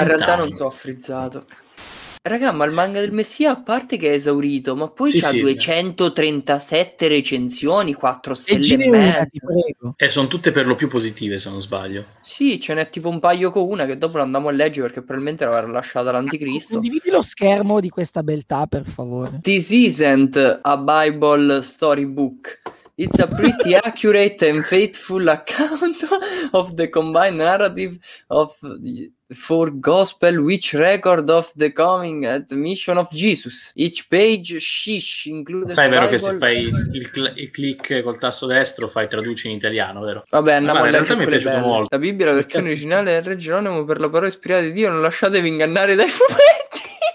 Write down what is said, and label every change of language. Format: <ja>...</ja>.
<it>No, in realtà non sono frizzato. Raga, ma il manga del messia, a parte che è esaurito, ma poi sì, c'ha 237 recensioni, 4 stelle e mezzo. E sono tutte per lo più positive, se non sbaglio. Sì, ce n'è tipo un paio con una che dopo lo andiamo a leggere perché probabilmente l'avrà lasciata l'anticristo. Condividi lo schermo di questa beltà, per favore.</it> <en>This isn't a Bible storybook. It's a pretty accurate and faithful account of the combined narrative of four gospel which record of the coming and mission of Jesus. Each page includes.</en> <it>Sai, vero, che se fai il click col tasto destro fai traduci in italiano, vero? Vabbè, andiamo. Vabbè, in realtà mi è piaciuto bene. Molto. La Bibbia, la versione originale del Re Geronimo, per la parola ispirata di Dio, non lasciatevi ingannare dai fumetti.</it>